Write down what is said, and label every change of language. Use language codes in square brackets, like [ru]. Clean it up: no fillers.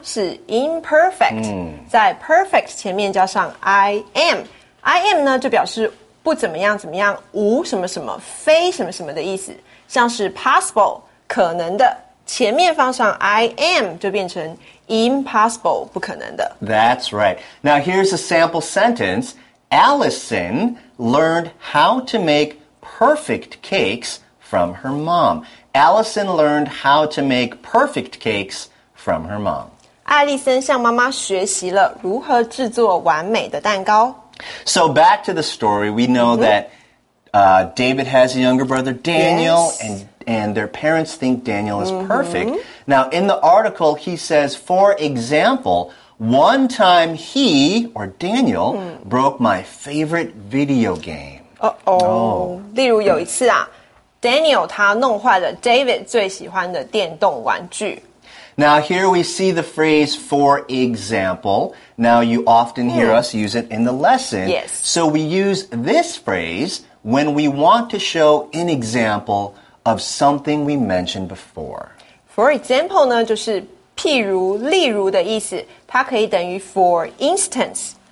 [zh] 是 imperfect,在 perfect 前面加上 I am。 I am 呢就表示不怎么样怎么样无什么什么非什么什么的意思。像是 possible, 可能的。前面放上 I am 就变成 impossible, 不可能的。 [en] That's right. Now here's a sample sentence. Allison learned how to make perfect cakes from her mom. Allison learned how to make perfect cakes from her mom. [zh] 艾莉森向妈妈学习了如何制作完美的蛋糕。 [en] So back to the story, we know that David has a younger brother, Daniel, and their parents think Daniel is perfect. Now, in the article, he says, for example, one time he, or Daniel, broke my favorite video game. [zh] Uh-oh. 例如有一次啊。 Daniel 他弄坏了 David 最喜欢的电动玩具。 [en] Now here we see the phrase for example. Now you often hear us use it in the lesson. Yes. So we use this phrase when we want to show an example of something we mentioned before. [zh] For example 呢就是譬如例如的意思。它可以等于 for instance.